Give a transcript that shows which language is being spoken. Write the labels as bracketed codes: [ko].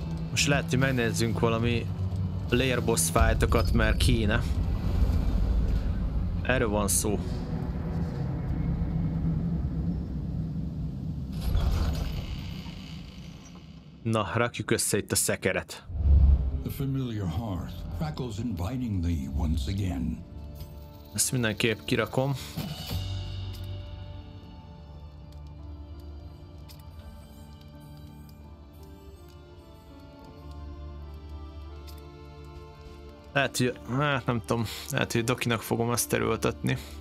[hu] Most lehet, hogy megnézzünk valami lair boss fightokat, mert kéne. Erről van szó. Na, rakjuk össze itt a szekeret. [en] The familiar hearth crackles invitingly once again. [hu] Ezt mindenképp kirakom. Lehet, hogy, hát nem tudom, lehet, hogy Dokinak fogom ezt erőltetni.